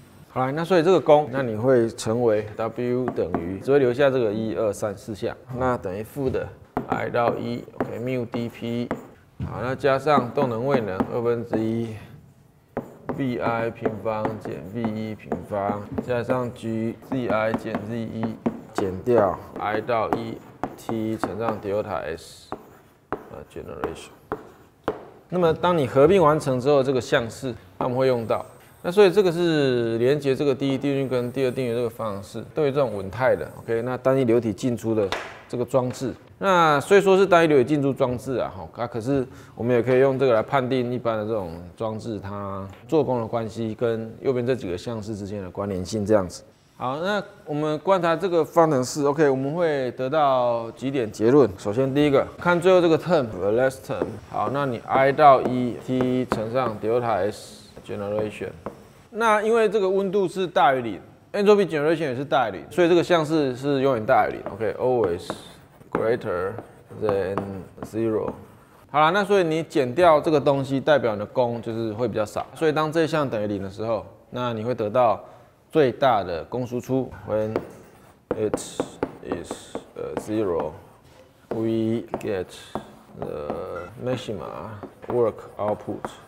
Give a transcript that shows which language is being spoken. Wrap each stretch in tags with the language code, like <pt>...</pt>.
<zh>好，来，那所以这个功，那你会成为 W 等于，只会留下这个1234项，那等于负的 I 到 1μDP， 好，那加上动能位能二分之一 VI 平方减 VE 平方，加上 GZI 减 ZE 减掉 I 到 1T 乘上 Delta S。 Generation。那么当你合并完成之后，这个项式那我们会用到，那所以这个是连接这个第一定律跟第二定律这个方式，都有这种稳态的 OK， 那单一流体进出的这个装置，那虽说是单一流体进出装置 啊可是我们也可以用这个来判定一般的这种装置它做功的关系跟右边这几个项式之间的关联性这样子。好，那我们观察这个方程式 ，OK， 我们会得到几点结论。首先第一个，看最后这个 term，</zh> <en>the last term。</en> <zh>好，那你 I 到 1T 乘上 delta S generation。那因为这个温度是大于零 ，entropy generation 也是大于零，所以这个项式是永远大于零 ，OK，</zh> <en>always greater than zero。</en> <zh>好啦，那所以你减掉这个东西，代表你的功就是会比较少。所以当这项等于零的时候，那你会得到最大的功输出 ，</zh> <en>when it is zero, we get the maximum work output。</en>